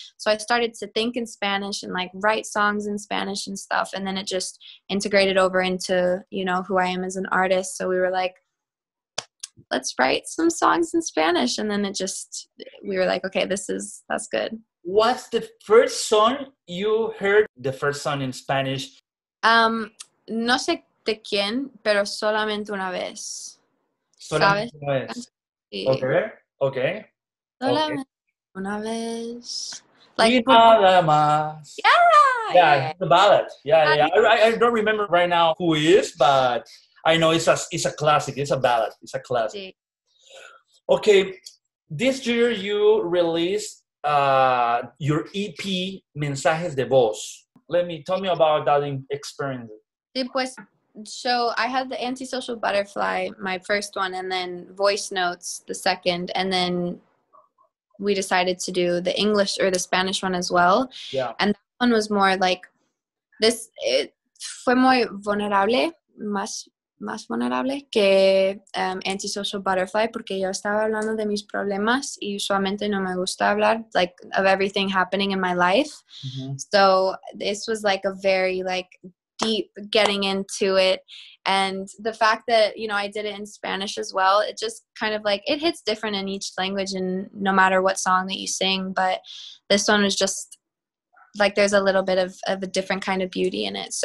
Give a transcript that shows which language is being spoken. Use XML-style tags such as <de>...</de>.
<en>So I started to think in Spanish and like write songs in Spanish and stuff, and then it just integrated over into, you know, who I am as an artist. So we were like, let's write some songs in Spanish, and then it just, we were like, okay, this is, that's good. What's the first song you heard, the first song in Spanish?</en> <es>No sé de quién, pero solamente una vez. Solamente una vez. Okay. Solamente una vez. Like, nada más.</es> <en>Yeah, the ballad. Yeah. I don't remember right now who it is, but I know it's a classic. It's a ballad. It's a classic. Sí. Okay, this year you released your EP, Mensajes de Voz. Tell me about that experience.</en> <es>Sí, pues,</es> <en>so I had the Antisocial Butterfly, my first one, and then Voice Notes, the second, and then we decided to do the English or the Spanish one as well. Yeah. And that one was more like this.</en> <es>It fue muy vulnerable, más vulnerable que Antisocial Butterfly, porque yo estaba hablando de mis problemas y usualmente no me gusta hablar</es> <en>like of everything happening in my life. Mm-hmm. So this was like a very like deep getting into it, and the fact that, you know, I did it in Spanish as well, it just kind of like it hits different in each language and no matter what song that you sing, but this one was just like there's a little bit of a different kind of beauty in it.</en>